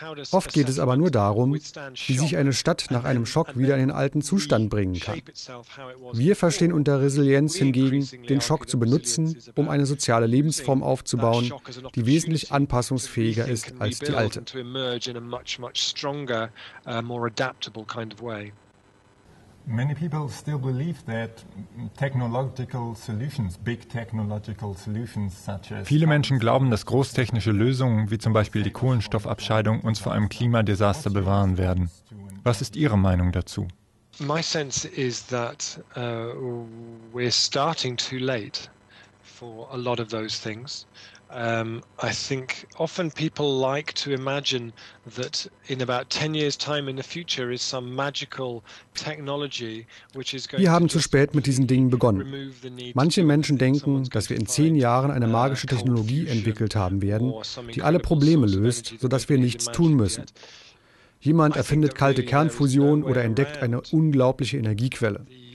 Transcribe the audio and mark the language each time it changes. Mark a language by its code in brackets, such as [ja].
[de] Oft geht es aber nur darum, wie sich eine Stadt nach einem Schock wieder in den alten Zustand bringen kann. Wir verstehen unter Resilienz hingegen, den Schock zu benutzen, um eine soziale Lebensform aufzubauen, die wesentlich anpassungsfähiger ist als die alte. [en] Many people still believe that technological solutions, big technological solutions such as [de] Viele Menschen glauben, dass großtechnische Lösungen wie zum Beispiel die Kohlenstoffabscheidung uns vor einem Klimadesaster bewahren werden. Was ist Ihre Meinung dazu? [en] My sense is that we're starting too late for a lot of those things. I think often people like to imagine that in about 10 years time in the future is some magical technology which is going [de] Wir haben zu spät mit diesen Dingen begonnen. Manche Menschen denken, dass wir in 10 Jahren eine magische Technologie entwickelt haben werden, die alle Probleme löst, sodass wir nichts tun müssen. Jemand erfindet kalte Kernfusion oder entdeckt eine unglaubliche Energiequelle.